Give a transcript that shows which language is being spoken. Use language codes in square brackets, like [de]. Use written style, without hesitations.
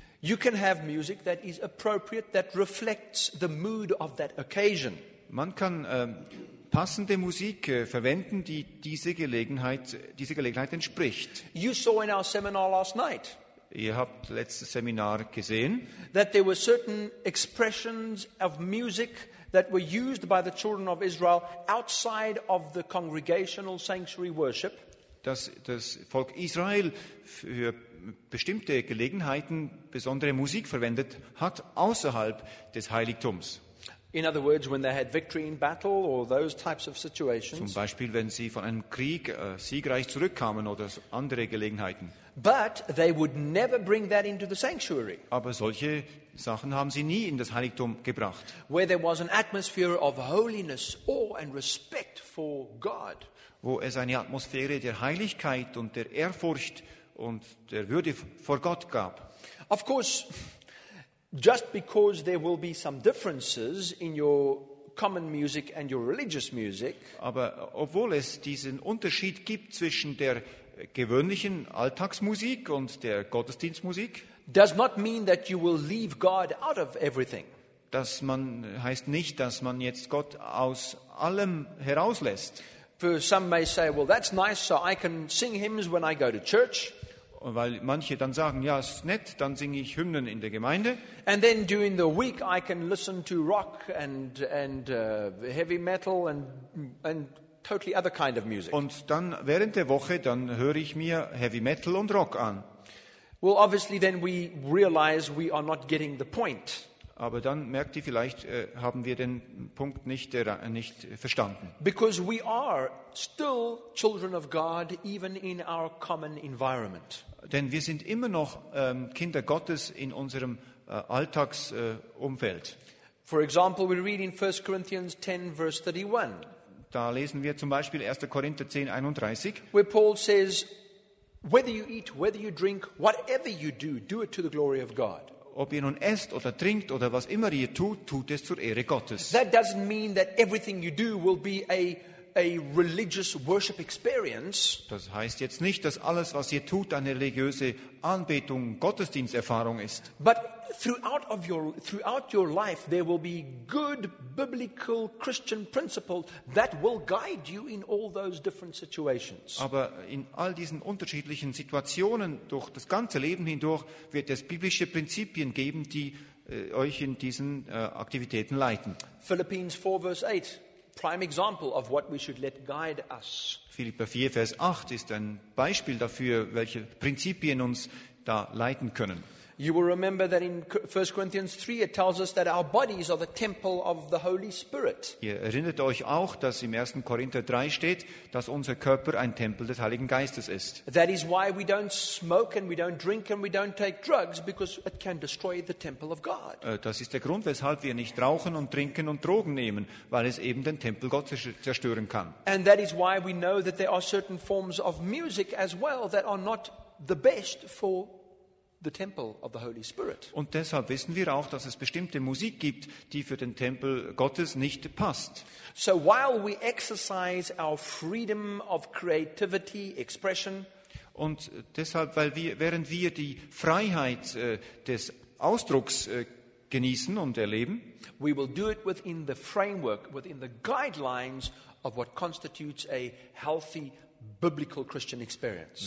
[en] You can have music that is appropriate, that reflects the mood of that occasion. [de] Man kann passende Musik verwenden, die dieser Gelegenheit entspricht. [en] You saw in our seminar last night. [de] Ihr habt letztes Seminar gesehen, [en] that there were certain expressions of music that were used by the children of Israel outside of the congregational sanctuary worship. [de] Dass das Volk Israel für bestimmte Gelegenheiten besondere Musik verwendet hat außerhalb des Heiligtums. [en] In other words, when they had victory in battle or those types of situations. [de] Zum Beispiel, wenn sie von einem Krieg siegreich zurückkamen oder andere Gelegenheiten. [en] But they would never bring that into the sanctuary. [de] Aber solche Sachen haben sie nie in das Heiligtum gebracht. [en] Where there was an atmosphere of holiness, awe and respect for God. [de] Wo es eine Atmosphäre der Heiligkeit und der Ehrfurcht und der Würde vor Gott gab. [en] Of course, just because there will be some differences in your common music and your religious music. [de] Aber obwohl es diesen Unterschied gibt zwischen der gewöhnlichen Alltagsmusik und der Gottesdienstmusik, [en] does not mean that you will leave God out of everything. [de] Das heißt nicht, dass man jetzt Gott aus allem herauslässt. [en] For some may say, well, that's nice, so I can sing hymns when I go to church. [de] Weil manche dann sagen, ja, ist nett, dann singe ich Hymnen in der Gemeinde. [en] And then during the week I can listen to rock and heavy metal and totally other kind of music. [de] Und dann während der Woche dann höre ich mir Heavy Metal und Rock an. [en] Well, obviously then we realize we are not getting the point. [de] Aber dann merkt ihr vielleicht, haben wir den Punkt nicht verstanden. [en] Because we are still children of God even in our common environment. [de] Denn wir sind immer noch Kinder Gottes in unserem Alltagsumfeld. [en] For example, we read in 1 Corinthians 10 verse 31. [de] Da lesen wir zum Beispiel 1. Korinther 10, 31. [en] Where Paul says, whether you eat, whether you drink, whatever you do, do it to the glory of God. [de] Ob ihr nun esst oder trinkt oder was immer ihr tut, tut es zur Ehre Gottes. [en] That doesn't mean that everything you do will be a religious worship experience. [de] Das heißt jetzt nicht, dass alles, was ihr tut, eine religiöse Anbetung, Gottesdiensterfahrung ist. [en] But throughout your life, there will be good biblical Christian principles that will guide you in all those different situations. [de] Aber in all diesen unterschiedlichen Situationen durch das ganze Leben hindurch wird es biblische Prinzipien geben, die euch in diesen Aktivitäten leiten. [en] Philippians 4, verse 8. Prime example of what we should let guide us. [de] Philipper 4, Vers 8 ist ein Beispiel dafür, welche Prinzipien uns da leiten können. [en] You will remember that in 1 Corinthians 3 it tells us that our bodies are the temple of the Holy Spirit. [de] Ihr erinnert euch auch, dass im 1. Korinther 3 steht, dass unser Körper ein Tempel des Heiligen Geistes ist. [en] That is why we don't smoke and we don't drink and we don't take drugs, because it can destroy the temple of God. [de] Das ist der Grund, weshalb wir nicht rauchen und trinken und Drogen nehmen, weil es eben den Tempel Gottes zerstören kann. [en] And that is why we know that there are certain forms of music as well that are not the best for the temple of the Holy Spirit. [de] Und deshalb wissen wir auch, dass es bestimmte Musik gibt, die für den Tempel Gottes nicht passt. [en] So while we exercise our freedom of creativity, expression, [de] und deshalb, weil wir, während wir die Freiheit des Ausdrucks genießen und erleben, [en] we will do it within the framework, within the guidelines of what constitutes a healthy biblical Christian experience.